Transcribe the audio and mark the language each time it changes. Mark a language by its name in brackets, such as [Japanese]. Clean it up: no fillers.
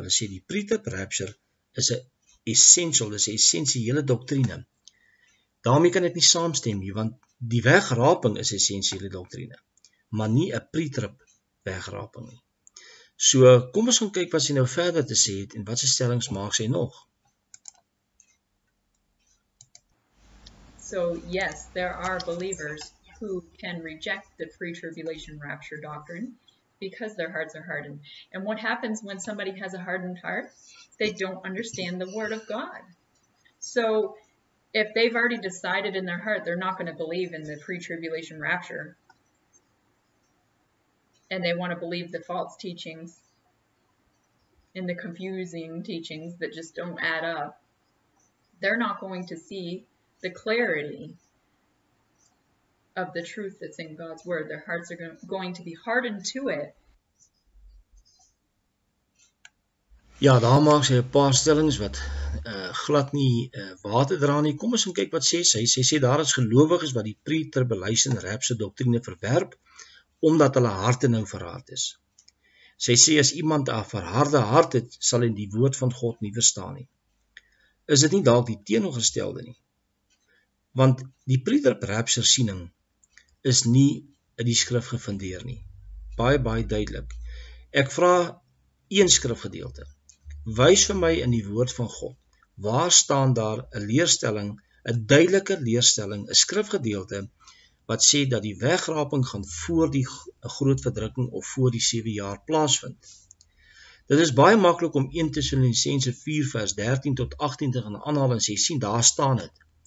[Afrikaans] Hulle sê die pre-trib rapture is een essential, is een essentiële doktrine. Daarmee kan ek nie saamstem nie, want die wegraping is essentiële doktrine, maar nie 'n pre-trib wegraping nie. So, kom ons gaan kyk wat sy nou verder te sê het, en wat sy stellings maak sy nog. [English] So, yes, there are believers who can reject the pre-tribulation rapture doctrine because their hearts are hardened. And what happens when somebody has a hardened heart? They don't understand the word of God. So, if they've already decided in their heart they're not going to believe in the pre-tribulation rapture and they want to believe the false teachings and the confusing teachings that just don't add up, they're not going to see the clarity of the truth that's in God's word. Their hearts are going to be hardened to it. [Afrikaans] Ja, daar maak sy 'n paar stellings wat glad nie water dra nie. Kom ons gaan kyk wat sê sy. Sy sê daar is gelowiges wat die pre-tribulation rapture doktrine verwerp, omdat hulle harte nou verhard is. Sy sê as iemand 'n verharde hart het, sal hy die woord van God nie verstaan nie. Is dit nie dalk die teenoorgestelde nie? Want die pre-trib rapture siening is nie in die skrif gefundeer nie. Baie, baie duidelik. Ek vra een skrifgedeelte. Wys vir my in die woord van God, waar staan daar 'n leerstelling, 'n duidelike leerstelling, 'n skrifgedeelte, wat sê dat die wegraping gaan voor die groot verdrukking of voor die 7 jaar plaasvind. Dit is baie maklik om 1 Tessalonisense 4 vers 13 tot 18 te gaan aanhaal en sê, sien, daar staan het.